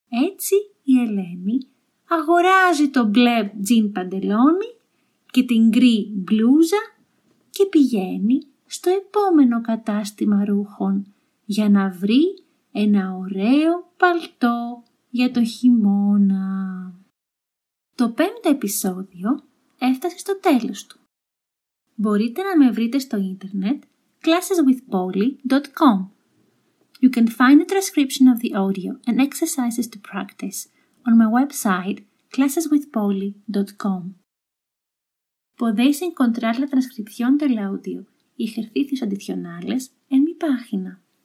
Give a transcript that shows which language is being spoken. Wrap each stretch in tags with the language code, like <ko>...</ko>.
<el>Έτσι η Ελένη αγοράζει το μπλε τζιν παντελόνι και την γκρι μπλούζα και πηγαίνει στο επόμενο κατάστημα ρούχων για να βρει ένα ωραίο παλτό για το χειμώνα. Το πέμπτο επεισόδιο έφτασε στο τέλος του. Μπορείτε να με βρείτε στο ίντερνετ classeswithpoly.com.</el> <en>You can find a transcription of the audio and exercises to practice on my website classeswithpoly.com.</en> <es>Podéis encontrar la transcripción del audio y ejercicios adicionales en mi página.</es>